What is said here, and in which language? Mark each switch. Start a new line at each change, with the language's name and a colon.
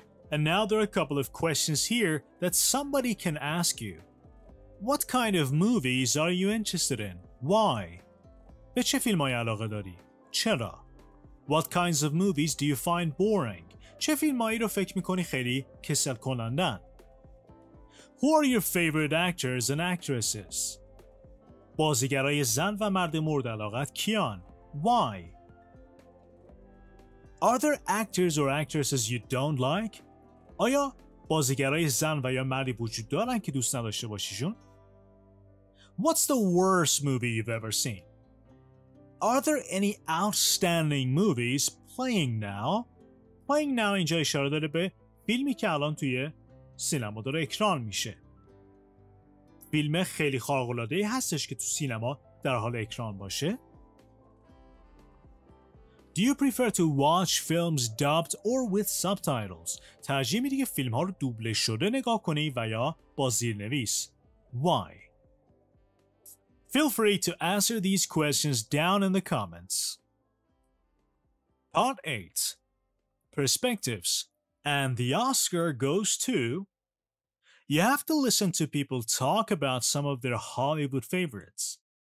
English: And now there are a couple of questions here that somebody can ask you. What kind of movies are you interested in? Why?
Persian: به چه فیلمای علاقه داری؟ چرا؟
English: What kinds of movies do you find boring?
Persian: چه فیلمایی رو فکر میکنی خیلی کسل کنندن؟
English: Who are your favorite actors and actresses?
Persian: بازیگرای زن و مرد مورد علاقت کیان؟ Why?
English: Are there actors or actresses you don't like?
Persian: آیا بازیگرای زن و یا مردی وجود دارن که دوست نداشته باشیشون؟
English: What's the worst movie you've ever seen? Are there any outstanding movies playing now? Playing now
Persian: اینجا اشاره داره به فیلمی که الان توی سینما داره اکران میشه. فیلم خیلی خارق‌العاده‌ای هستش که تو سینما در حال اکران باشه.
English: Do you prefer to watch films dubbed or with subtitles?
Persian: ترجیح میدی که فیلم ها رو دوبله شده نگاه کنی و یا با زیرنویس.
English: Why? Feel free to answer these questions down in the comments. Part 8. Perspectives. And the Oscar goes to... You have to listen to people talk about some of their Hollywood favorites.